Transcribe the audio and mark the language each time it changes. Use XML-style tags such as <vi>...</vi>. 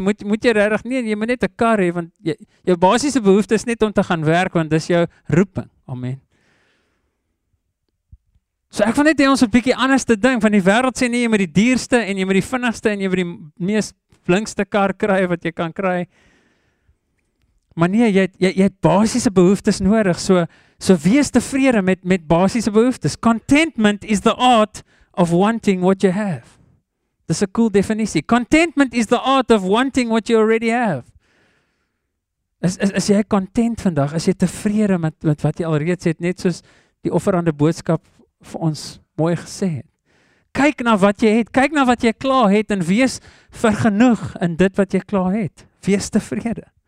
<af>Moet jy regtig nie, jy moet net 'n kar hê want jou basiese behoefte is net om te gaan werk want dis jou roeping. Amen. So ek wil net hê ons moet 'n bietjie anders te dink van die wêreld sê nie jy moet die duurste en jy moet die vinnigste en jy moet die mees blinkste kar kry wat jy kan kry. Maar nee, jy het basiese behoeftes nodig. So wees tevrede met basiese behoeftes.</af> <en>Contentment is the art of wanting what you have.</en> <af>Dis 'n cool definisie.</af> <en>Contentment is the art of wanting what you already have.</en> <af>As jy content vandag, as jy tevrede met wat jy alreeds het, net soos die offerande boodskap vir ons mooi gesê het. Kyk na wat jy het, kyk na wat jy klaar het en wees vergenoeg in dit wat jy klaar het. Wees tevrede.</af>